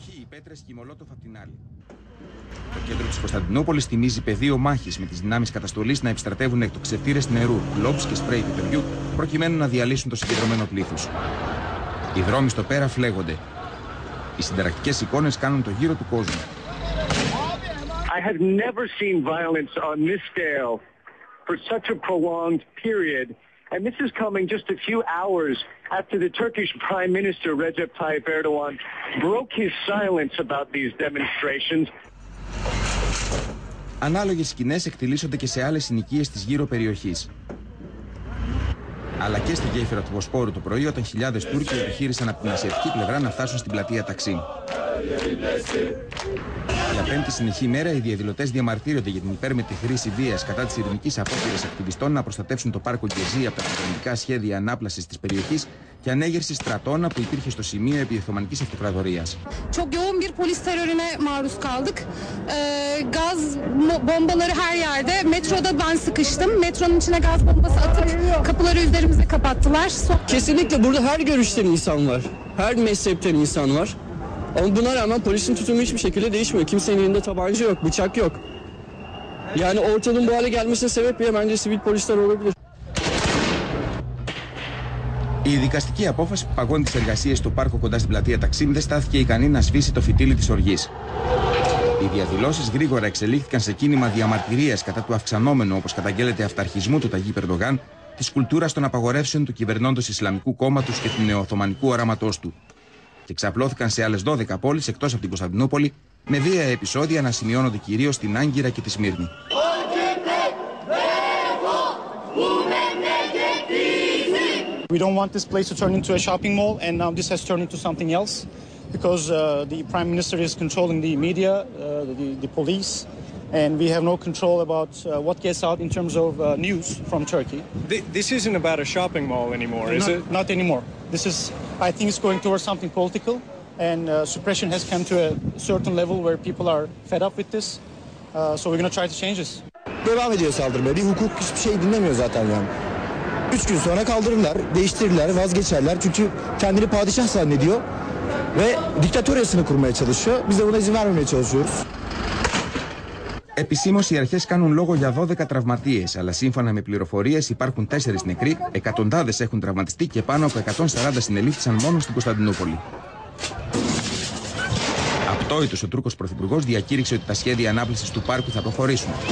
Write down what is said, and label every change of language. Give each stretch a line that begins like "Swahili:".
Greek: Πέτρες και μολότοφ απ' την άλλη. Το κέντρο της Κωνσταντινούπολης θυμίζει πεδίο μάχης, με τις δυνάμεις καταστολής να επιστρατεύουν εκτοξευτήρες νερού, κλόμπς και σπρέι πιπεριού, προκειμένου να διαλύσουν το συγκεντρωμένο πλήθος. Οι δρόμοι στο πέρα φλέγονται. Οι συνταρακτικές εικόνες κάνουν το γύρο του κόσμου.
English: I have never seen violence on this scale for such a prolonged period. And this is coming just a few hours after the Turkish Prime Minister Recep Tayyip Erdogan broke his silence about these demonstrations.
Greek: Ανάλογες σκηνές εκτυλίσσονται και σε άλλες συνοικίες της γύρω περιοχής. Αλλά και στη γέφυρα του Βοσπόρου το πρωί, όταν χιλιάδες Τούρκοι επιχείρησαν από την ασιατική πλευρά να φτάσουν στην πλατεία Ταξίμ. Για πέμπτη συνεχή μέρα, οι διαδηλωτές διαμαρτύρονται για την υπέρμετρη χρήση βίας κατά της ειρηνικής απόπειρας ακτιβιστών να προστατεύσουν το πάρκο Γκεζί από τα κυβερνητικά σχέδια ανάπλασης της περιοχής και ανέγερση στρατών που υπήρχε στο σημείο επί Οθωμανικής Αυτοκρατορίας.
Turkish: Çok yoğun bir polis terörüne maruz kaldık. Gaz bombaları her yerde. Metroda ben sıkıştım. Metronun içine gaz bombası atıp kapıları üzerimize kapattılar. Kesinlikle burada her görüşten insan var. Her mezhepten insan var. Ama buna rağmen polisin tutumu hiçbir şekilde değişmiyor. Kimsenin elinde tabanca yok, bıçak yok. Yani ortalığın bu hale gelmesine sebep bile bence sivil polisler olabilir.
Greek: Η δικαστική απόφαση που παγώνει τις εργασίες στο πάρκο κοντά στην πλατεία Ταξίμ δεν στάθηκε ικανή να σβήσει το φυτίλι της οργής. Οι διαδηλώσεις γρήγορα εξελίχθηκαν σε κίνημα διαμαρτυρίας κατά του αυξανόμενου, όπως καταγγέλλεται, αυταρχισμού του Ταγί Περντογάν, της κουλτούρας των απαγορεύσεων του κυβερνώντος Ισλαμικού κόμματος και του νεοοθωμανικού οράματός του. Και ξαπλώθηκαν σε άλλες 12 πόλεις εκτός από την Κωνσταντινούπολη, με βία επεισόδια να σημειώνονται κυρίως στην Άγκυρα και τη Σμύρνη.
English: We don't want this place to turn into a shopping mall, and now this has turned into something else, because the prime minister is controlling the media, the police, and we have no control about what gets out in terms of news from Turkey. This isn't about a shopping mall anymore, is it? Not anymore. This is, I think, it's going towards something political, and suppression has come to a certain level where people are fed up with this. So we're going to try to change this.
Turkish: Devam ediyor saldırmaya. Bir hukuk hiçbir şey dinlemiyor zaten yani. 3 gün sonra kaldırırlar, değiştirirler, vazgeçerler. Çünkü kendini padişah zannediyor ve diktatoryasını kurmaya çalışıyor. Biz de buna izin vermemeye çalışıyoruz.
Greek: Επισήμως οι αρχές κάνουν λόγο για 12 τραυματίες, αλλά σύμφωνα με πληροφορίες υπάρχουν 4 νεκροί, εκατοντάδες έχουν τραυματιστεί και πάνω από 140 συνελήφθησαν μόνο στην Κωνσταντινούπολη. Απτόητος, ο Τούρκος Πρωθυπουργός διακήρυξε ότι τα σχέδια ανάπλασης του πάρκου θα προχωρήσουν.